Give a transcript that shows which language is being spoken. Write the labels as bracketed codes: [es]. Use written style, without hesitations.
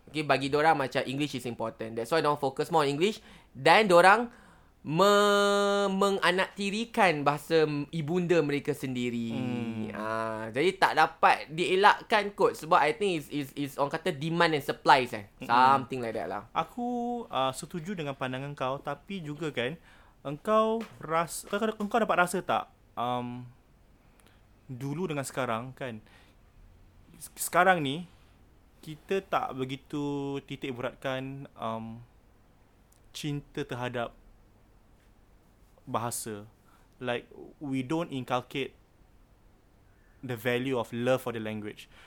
[en] Okay, [ms] bagi dorang macam [en] English is important. That's why dorang focus more on English. [ms] Dan dorang menganaktirikan bahasa ibunda mereka sendiri. Jadi tak dapat dielakkan kot. Sebab [en] I think is [ms] orang kata [en] demand and supplies eh. Something like that lah. [ms] Aku setuju dengan pandangan kau. Tapi juga kan, Engkau dapat rasa tak dulu dengan sekarang kan, sekarang ni kita tak begitu titik beratkan cinta terhadap bahasa. [en] Like, we don't inculcate the value of love for the language.